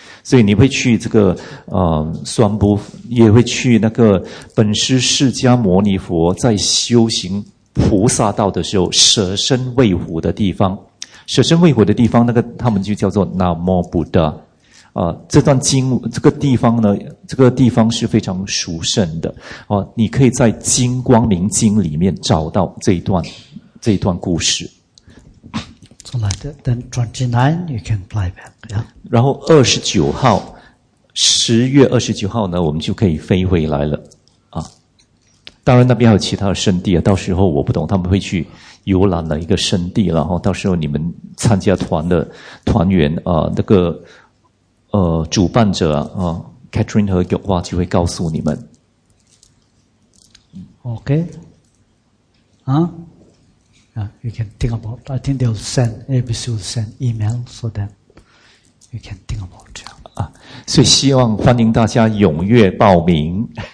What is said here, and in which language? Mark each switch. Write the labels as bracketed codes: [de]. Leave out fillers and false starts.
[zh] 所以你会去这个苏安布，也会去那个本师释迦牟尼佛在修行菩萨道的时候舍身喂虎的地方。舍身喂虎的地方，那个他们就叫做那摩布达。这段经这个地方呢，这个地方是非常殊胜的。你可以在金光明经里面找到这一段故事。 [en] So like then 29, you can fly back, yeah. [zh] 然后29号 ,10 月29号呢我们就可以飞回来了。当然那边还有其他的圣地，到时候我不懂他们会去游览了一个圣地，然后到时候你们参加团的团员那个主办者Catherine 和永华就会告诉你们。 [en] OK? You can think about, I think they'll send, ABC will send email so that you can think about it. [zh] 所以希望欢迎大家踊跃报名。